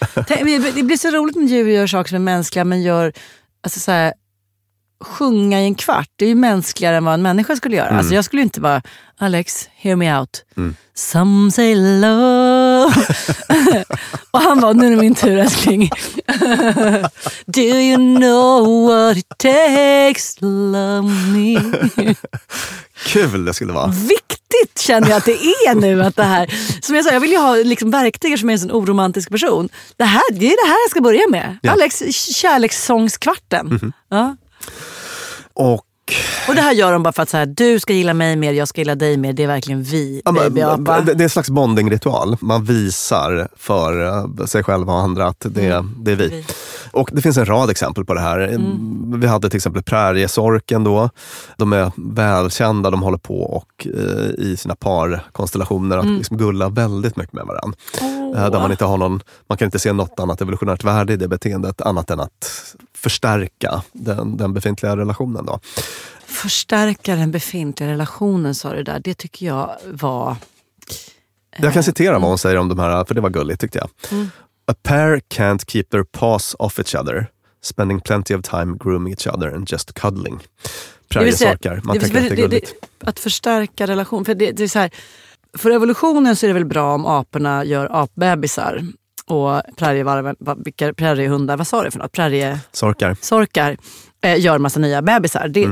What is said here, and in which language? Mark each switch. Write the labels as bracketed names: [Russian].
[Swedish] Det blir så roligt när djur gör saker som är mänskliga men gör, alltså så här, sjunga i en kvart, det är ju mänskligare än vad en människa skulle göra. Alltså jag skulle inte vara Alex, [English] hear me out. Some say love. [Swedish] Och han var, nu är det min tur älskling. [English] Do you know what it takes to love me? [Swedish] Kul det skulle vara. Viktigt känner jag att det är nu att det här, som jag sa, jag vill ju ha liksom verktyg som är en sån oromantisk person. Det här, det är det här jag ska börja med. Ja. Alex, kärlekssångskvarten. Mm-hmm. Ja. Och det här gör de bara för att så här, du ska gilla mig mer, jag ska gilla dig mer. Det är verkligen vi, ja, men, babyapa. Det är en slags bondingritual. Man visar för sig själv och andra att det är vi. Och det finns en rad exempel på det här. Vi hade till exempel präriesorken då. De är välkända, de håller på och i sina parkonstellationer att liksom gulla väldigt mycket med varandra. Där man inte har någon, man kan inte se något annat evolutionärt värde i det beteendet annat än att förstärka den befintliga relationen då. Förstärka den befintliga relationen, sa du där. Det tycker jag var... Jag kan citera vad hon säger om de här, för det var gulligt tyckte jag. [English] A pair can't keep their paws off each other, spending plenty of time grooming each other and just cuddling. [Swedish] Präriesorkar, man tänker att det är gulligt. Att förstärka relationen, för det är så här, för evolutionen så är det väl bra om aporna gör apbebisar. Och präriehundar, vad sa du för något? Sorkar gör massa nya bebisar.